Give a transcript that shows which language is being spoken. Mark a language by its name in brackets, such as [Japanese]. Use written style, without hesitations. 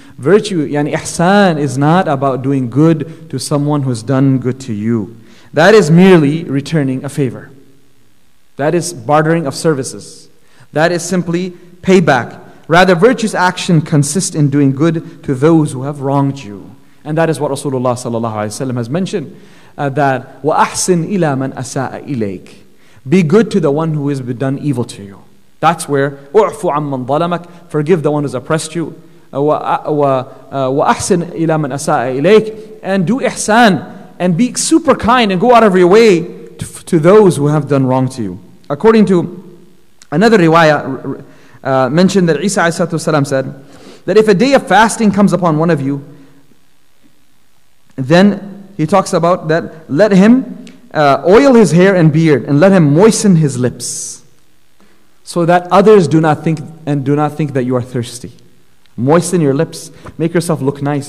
[English] Virtue, yani ihsan, is not about doing good to someone who has done good to you. That is merely returning a favor. That is bartering of services. That is simply payback. Rather, virtuous action consists in doing good to those who have wronged you. And that is what Rasulullah sallallahu alaihi wasallam has mentioned. [Arabic] That وَأَحْسِنْ إِلَى مَنْ أَسَاءَ إِلَيْكَ. [English] Be good to the one who has been done evil to you. [Arabic] That's where أُعْفُ عَمَّنْ ظَلَمَكَ. [English] Forgive the one who has oppressed you. [Arabic] وَأَحْسِنْ إِلَى مَنْ أَسَاءَ إِلَيْكَ. [English] And do ihsan. And be super kind and go out of your way to those who have done wrong to you. According to another riwayah, mentioned that Isa alayhi salam said that if a day of fasting comes upon one of you, then he talks about that, let him oil his hair and beard and let him moisten his lips so that others do not think that you are thirsty. Moisten your lips. Make yourself look nice.